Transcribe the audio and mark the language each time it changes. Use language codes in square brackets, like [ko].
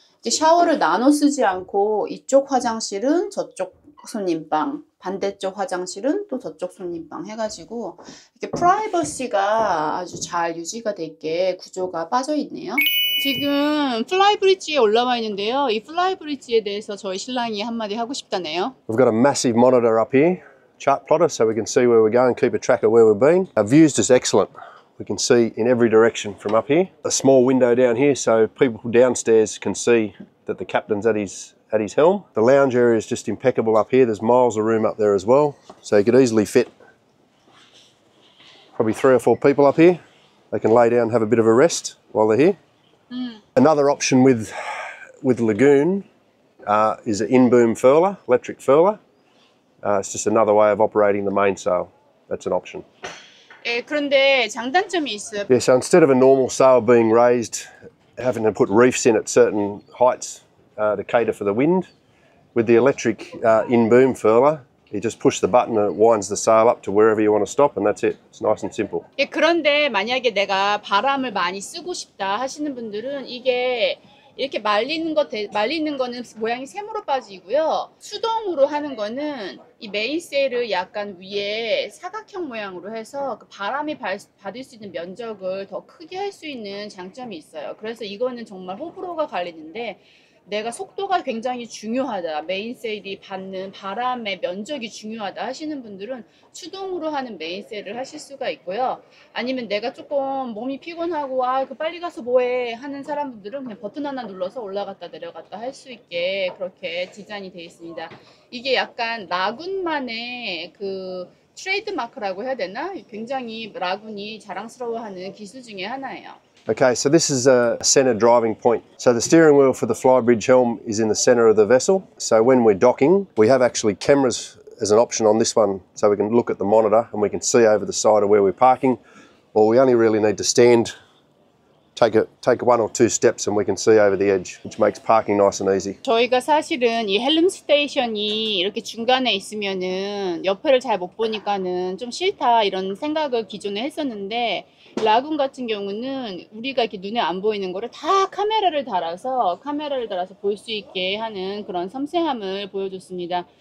[ko] 이제 샤워를 나눠 쓰지 않고 이쪽 화장실은 저쪽 손님방, 반대쪽 화장실은 또 저쪽 손님방 해가지고 이렇게 프라이버시가 아주 잘 유지가 되게 구조가 빠져 있네요. 지금 플라이브릿지에 올라와 있는데요. 이 플라이브릿지에 대해서 저희 신랑이 한마디 하고 싶다네요. [en] We've got a massive monitor up here, chart plotter, so we can see where we're going, keep a track of where we've been. Our views is excellent. We can see in every direction from up here. A small window down here, so people downstairs can see that the captain's at his helm. The lounge area is just impeccable up here. There's miles of room up there as well, so you could easily fit probably three or four people up here. They can lay down, have a bit of a rest while they're here. Another option with Lagoon is an in-boom furler, electric furler. It's just another way of operating the mainsail. That's an option. [ko] 예, 그런데 장단점이 있어요. [en] Yeah, so instead of a normal sail being raised, having to put reefs in at certain heights to cater for the wind, with the electric in-boom furler, You just push the button and it winds the sail up to wherever you want to stop and that's it. It's nice and simple. [ko] 예, 그런데 만약에 내가 바람을 많이 쓰고 싶다 하시는 분들은 이게 이렇게 말리는 거는 모양이 세모로 빠지고요. 수동으로 하는 거는 이 메인세일을 약간 위에 사각형 모양으로 해서 그 바람이 받을 수 있는 면적을 더 크게 할 수 있는 장점이 있어요. 그래서 이거는 정말 호불호가 갈리는데 내가 속도가 굉장히 중요하다, 메인세일이 받는 바람의 면적이 중요하다 하시는 분들은 수동으로 하는 메인세일을 하실 수가 있고요. 아니면 내가 조금 몸이 피곤하고 아 그 빨리 가서 뭐해 하는 사람들은 그냥 버튼 하나 눌러서 올라갔다 내려갔다 할 수 있게 그렇게 디자인이 되어 있습니다. 이게 약간 라군만의 그 트레이드마크라고 해야 되나? 굉장히 라군이 자랑스러워하는 기술 중에 하나예요. [en] Okay, so this is a center driving point. So the steering wheel for the flybridge helm is in the center of the vessel. So when we're docking, we have actually cameras as an option on this one. So we can look at the monitor and we can see over the side of where we're parking. Or we only really need to stand, take one or two steps and we can see over the edge, which makes parking nice and easy. [ko] 저희가 사실은 이 헬름 스테이션이 이렇게 중간에 있으면은 옆을 잘 못 보니까는 좀 싫다 이런 생각을 기존에 했었는데 라군 같은 경우는 우리가 이렇게 눈에 안 보이는 거를 다 카메라를 달아서 볼 수 있게 하는 그런 섬세함을 보여줬습니다.